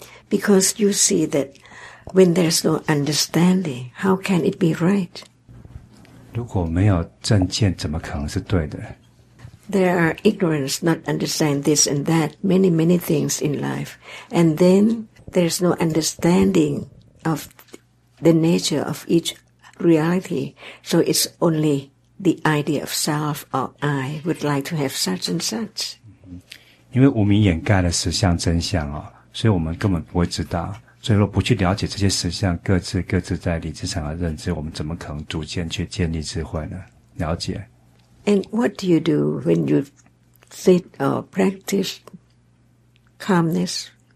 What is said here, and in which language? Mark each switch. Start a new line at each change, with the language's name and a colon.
English: Because you see that when there's no understanding, how can it be right?
Chinese: 如果没有正见，怎么可能是对的？
English: There are ignorance, not understand this and that, many, many things in life. And then there's no understanding of the nature of each reality. So it's only the idea of self or I would like to have such and such.
Chinese: 因为无明掩盖了实相真相，所以我们根本不会知道。所以若不去了解这些实相，各自在理智上的认知，我们怎么可能逐渐去建立智慧呢？了解。
English: And what do you do when you sit or practice calmness?